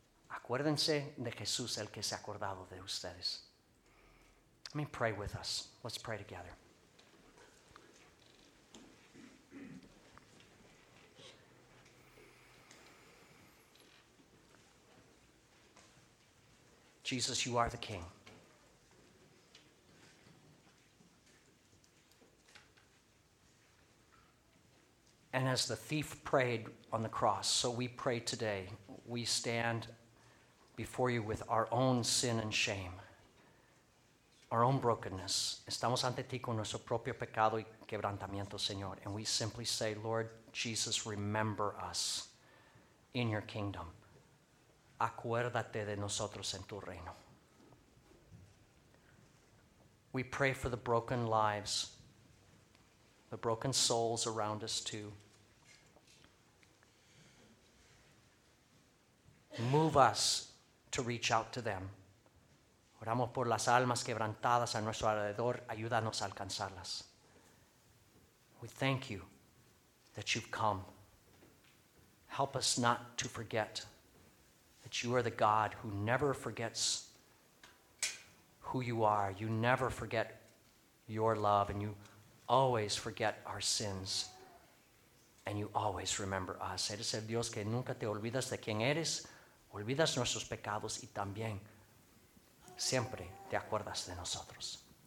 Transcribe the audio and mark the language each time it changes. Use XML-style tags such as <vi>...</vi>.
<es>Acuérdense de Jesús, el que se ha acordado de ustedes.</es> <en>Let me pray with us. Let's pray together. Jesus, you are the King. And as the thief prayed on the cross, so we pray today. We stand before you with our own sin and shame. Our own brokenness.</en> <es>Estamos ante ti con nuestro propio pecado y quebrantamiento, Señor.</es> <en>And we simply say, Lord Jesus, remember us in your kingdom.</en> <es>Acuérdate de nosotros en tu reino.</es> <en>We pray for the broken lives, the broken souls around us too. Move us to reach out to them.</en> <es>Oramos por las almas quebrantadas a nuestro alrededor. Ayúdanos a alcanzarlas.</es> <en>We thank you that you've come. Help us not to forget that you are the God who never forgets who you are. You never forget your love, and you always forget our sins, and you always remember us.</en> <es>Eres el Dios que nunca te olvidas de quién eres, olvidas nuestros pecados y también siempre te acuerdas de nosotros.</es>